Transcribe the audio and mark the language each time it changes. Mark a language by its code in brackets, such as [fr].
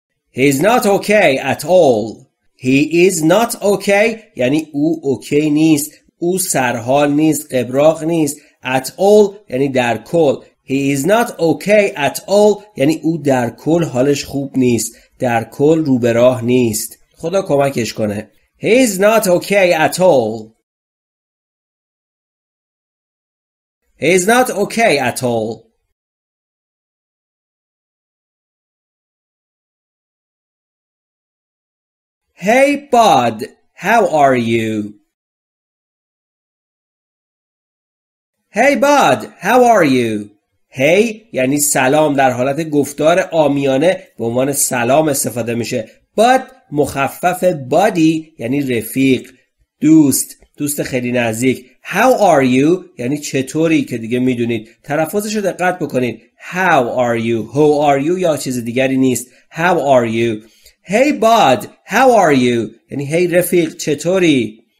[en] He is not okay at all. He is not okay [fa] یعنی او اوکی نیست. او سرحال نیست، قبراق نیست. [en] At all [fa] یعنی در کل. [en] He is not okay at all [fa] یعنی او در کل حالش خوب نیست. در کل روبراه نیست. خدا کمکش کنه. [en] He is not okay at all. He is not okay at all. Hey bud, how are you? Hey bud, how are you? [fa] Hey یعنی سلام در حالت گفتار عامیانه به عنوان سلام استفاده میشه. Bud مخفف buddy یعنی رفیق، دوست، دوست خیلی نزدیک. [en] How are you [fa] یعنی چطوری که دیگه میدونید. تلفظش رو دقت بکنید. [en] How are you, how are you [fa] یا چیز دیگری نیست. [en] How are you. Hey bud, how are you یعنی hey [fa] رفیق چطوری.